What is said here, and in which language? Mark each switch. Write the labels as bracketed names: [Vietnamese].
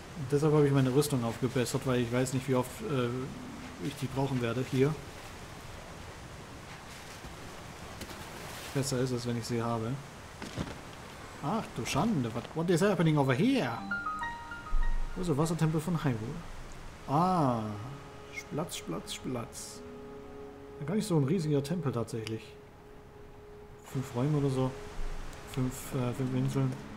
[German] Deshalb habe ich meine Rüstung aufgebessert, weil ich weiß nicht, wie oft ich die brauchen werde hier. Besser ist es, wenn ich sie habe. Ach du Schande, [English] what is happening over here? [German] Wo ist der Wassertempel von Hyrule? Ah, Splatz, Splatz, Splatz. Gar nicht so ein riesiger Tempel tatsächlich. 5 Räume oder so. 5 Inseln.